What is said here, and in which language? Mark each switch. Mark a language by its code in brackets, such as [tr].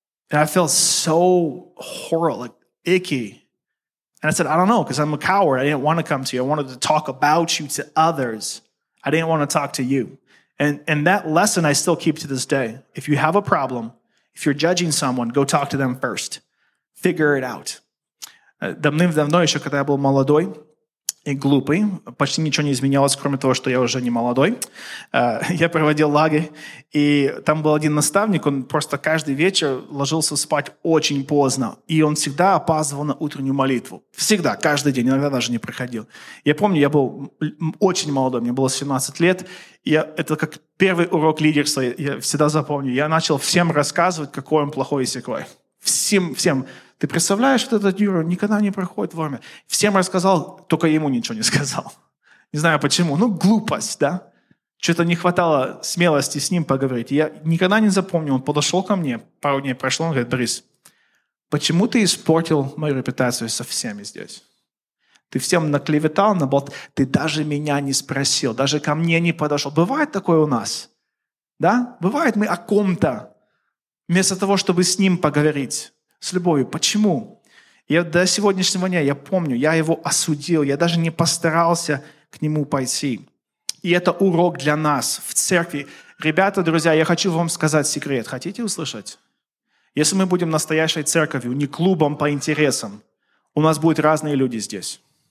[en] And I felt so horrible, like icky. And I said, I don't know, because I'm a coward. I didn't want to come to you. I wanted to talk about you to others. I didn't want to talk to you. And that lesson I still keep to this day. If you have a problem, if you're judging someone, go talk to them first. Figure it out. [uk] Давним-давно, ще коли я був молодий і глупий, почти нічого не змінилось, крім того, що я вже не молодий. Я проводив лагерь, і там був один наставник, він просто кожен вечір ложився спати дуже поздно, і він завжди опаздував на утренню молитву. Завжди, кожен день, іноді навіть не приходив. Я пам'ятаю, я був дуже молодий, мені було 17 років, і це як перший урок лідерства, я завжди запам'ятаю. Я почав всім розказувати, який він плохий і сякий. Всім. Ти представляєш, що цей Юра ніколи не приходить в армію. Всім розказав, тільки йому нічого не сказав. Не знаю, чому. Ну, глупость, да? Чого-то не хватало смілості з ним поговорити. Я ніколи не запам'ятав. Він підійшов ко мені, пару днів пройшло, він говорить, Борис, чому ти спортив мою репутацію з всіми тут? Ти всім наклеветав, наоборот, ти навіть мене не спросив, навіть ко мені не підійшов. Буває таке у нас, да? Буває, ми о ком-то, вместо того, щоб з ним поговорити. [ru] С любовью. Почему? Я до сегодняшнего дня, я помню, я его осудил. Я даже не постарался к нему пойти. И это урок для нас в церкви. Ребята, друзья, я хочу вам сказать секрет. Хотите услышать? Если мы будем настоящей церковью, не клубом по интересам, у нас будут разные люди здесь.